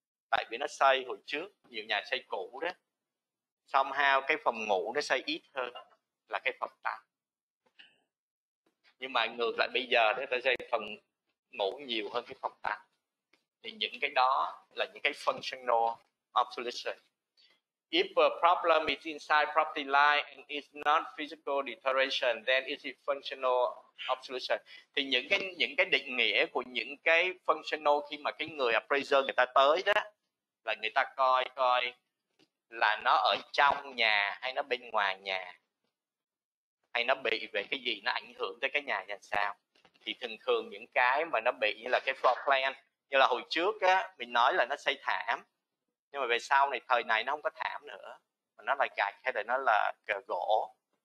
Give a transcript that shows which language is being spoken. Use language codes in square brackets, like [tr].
[vi] Tại vì nó xây hồi trước, nhiều nhà xây cũ đó. Somehow cái phòng ngủ nó xây ít hơn là cái phòng tắm. Nhưng mà ngược lại bây giờ nó xây phòng ngủ nhiều hơn cái phòng tắm. Thì những cái đó là những cái functional obsolescence. [en] If a problem is inside property line and is not physical deterioration, then it is functional obsolescence. [vi] Thì những cái định nghĩa của những cái functional, khi mà cái người appraiser người ta tới đó, là người ta coi là nó ở trong nhà hay nó bên ngoài nhà, hay nó bị về cái gì, nó ảnh hưởng tới cái nhà làm sao. Thì thường thường những cái mà nó bị như là cái floor plan, như là hồi trước á, mình nói là nó xây thảm, nhưng mà về sau này, thời này nó không có thảm nữa, mà nó là gạch hay là nó là gỗ.